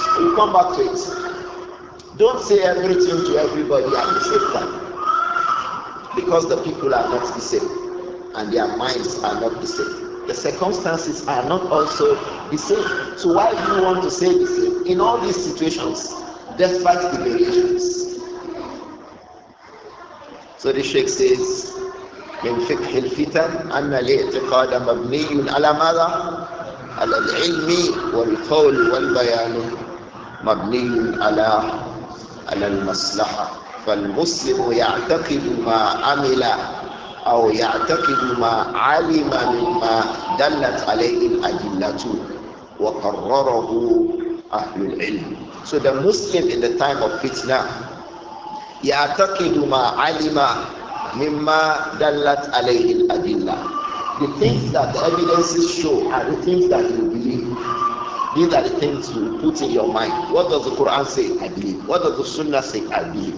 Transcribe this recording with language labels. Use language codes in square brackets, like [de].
[en] We'll come back to it. Don't say everything to everybody at the same time. Because the people are not the same. And their minds are not the same. The circumstances are not also the same. So why do you want to say the same? In all these situations, despite the variations. So the Sheikh says, [ar] من فقه الفتن أن الاعتقاد مبني على ماذا؟ على العلم والقول والبيان مبني على المصلحة. فالمسلم يعتقد ما عمل أو يعتقد ما علم مما دلت عليه الأدلة وقرره أهل العلم. [en] So the Muslim in the time of fitna, [ar] يَعْتَقِدُ مَا عَلِمَ مِمَّا دَلَّتْ عَلَيْهِ الْأَدِلَّةِ. [en] The things that the evidences show are the things that you believe. These are the things you put in your mind. What does the Quran say? I believe. What does the Sunnah say? I believe.